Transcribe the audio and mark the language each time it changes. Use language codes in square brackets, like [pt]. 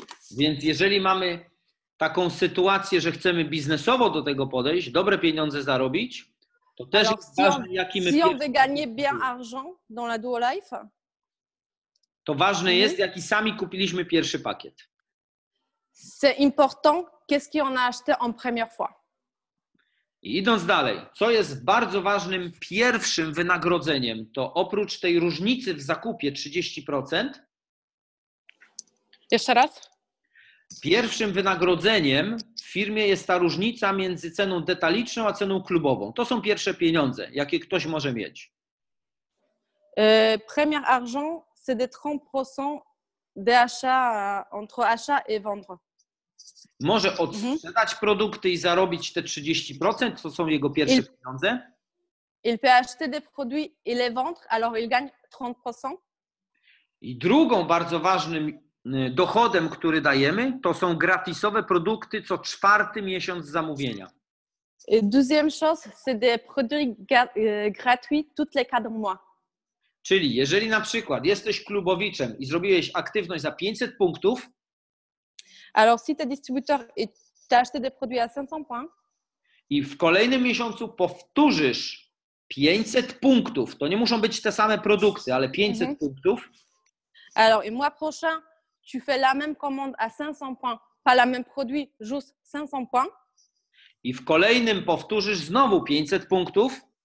[pl] Więc jeżeli mamy taką sytuację, że chcemy biznesowo do tego podejść, dobre pieniądze zarobić, to też [fr] alors, [pl] jest ważne, jaki my... [fr] Si on veut gagner bien argent dans la Duo Life, [pl] to ważne jest, jaki sami kupiliśmy pierwszy pakiet. [fr] C'est important, qu'est-ce qu'on a acheté en première fois. [pl] I idąc dalej, co jest bardzo ważnym pierwszym wynagrodzeniem, to oprócz tej różnicy w zakupie 30%... Jeszcze raz. Pierwszym wynagrodzeniem w firmie jest ta różnica między ceną detaliczną a ceną klubową. To są pierwsze pieniądze, jakie ktoś może mieć. [fr] Premier argent, c'est des 30% d'achat entre achat et vendre. [pl] Może odsprzedać produkty i zarobić te 30%, to są jego pierwsze pieniądze. [fr] Il peut acheter des produits et les vendre, alors il gagne 30%. [pl] I drugą bardzo ważnym dochodem, który dajemy, to są gratisowe produkty co czwarty miesiąc zamówienia. [fr] Deuxième chose, c'est des produits gratuits toutes les 4 mois. [pl] Czyli jeżeli na przykład jesteś klubowiczem i zrobiłeś aktywność za 500 punktów, [fr] alors si tu es distributeur et tu as acheté des produits à 500 points, [pl] i w kolejnym miesiącu powtórzysz 500 punktów, to nie muszą być te same produkty, ale 500 punktów. [fr] Alors et mois prochain tu fais la même commande à 500 points, pas la même produit, juste 500 points. [pl] I w kolejnym powtórzysz znowu 500 punktów.